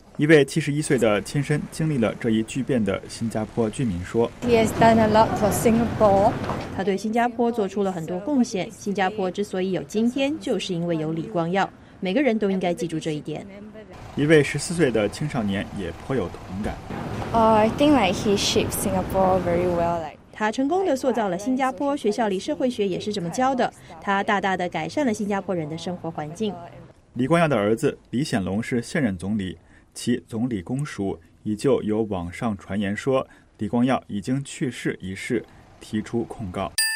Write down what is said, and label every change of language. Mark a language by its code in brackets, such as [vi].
[zh] 一位71岁的亲身经历了这一巨变的新加坡居民说 [en] ：“He has done a lot for Singapore。 [zh] 他对新加坡做出了很多贡献。新加坡之所以有今天，就是因为有李光耀。每个人都应该记住这一点。” 一位14岁的青少年也颇有同感。 [en] I think like he shaped Singapore very well. [zh] 他成功地塑造了新加坡，学校里社会学也是这么教的。他大大地改善了新加坡人的生活环境。李光耀的儿子李显龙是现任总理，其总理公署已就有网上传言说李光耀已经去世一事提出控告。